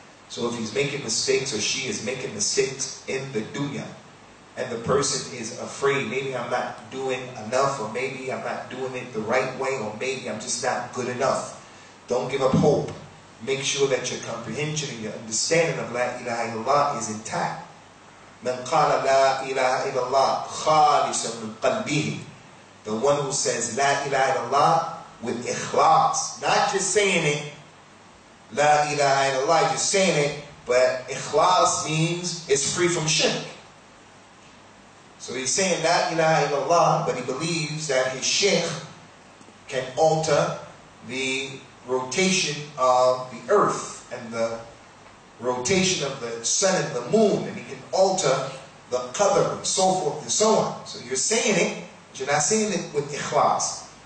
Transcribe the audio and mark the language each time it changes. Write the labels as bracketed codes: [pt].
[en] So if he's making mistakes or she is making mistakes in the dunya, and the person is afraid, maybe I'm not doing enough, or maybe I'm not doing it the right way, or maybe I'm just not good enough. Don't give up hope. Make sure that your comprehension and your understanding of La ilaha illallah is intact. [ar] من قال لا إله إلا الله خالصا من قلبه. [en] The one who says [ar] لا إله إلا الله [en] with إخلاص. Not just saying it. [ar] لا إله إلا الله. [en] Just saying it. But إخلاص means it's free from shirk. So he's saying [ar] لا إله إلا الله. [en] But he believes that his shaykh can alter the rotation of the earth and the rotation of the sun and the moon, and he can alter the qadr and so forth and so on. So you're saying it, but you're not saying it with ikhlas.